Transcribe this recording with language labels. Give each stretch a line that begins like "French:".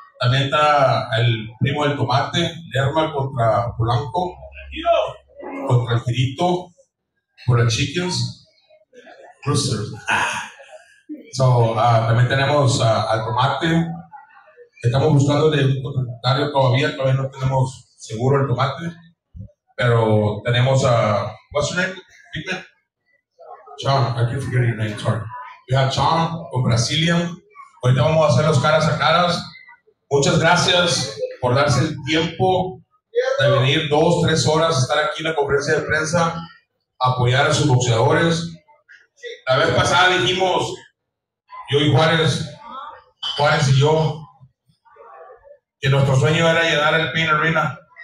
Spanish: También está el primo del Tomate, Lerma contra Polanco, contra el Tirito, por el Chickens, Rooster. También tenemos al Tomate. Estamos buscando de un contrario todavía no tenemos seguro el Tomate. Pero tenemos a...
English: What's your name? Sean, I can't forget your name, sorry. We have Sean con Brazilian.
Spanish: Ahorita vamos a hacer los caras a caras. Muchas gracias por darse el tiempo de venir 2-3 horas, estar aquí en la conferencia de prensa, apoyar a sus boxeadores. La vez pasada dijimos, yo y Juárez y yo, que nuestro sueño era llegar al Pain Arena.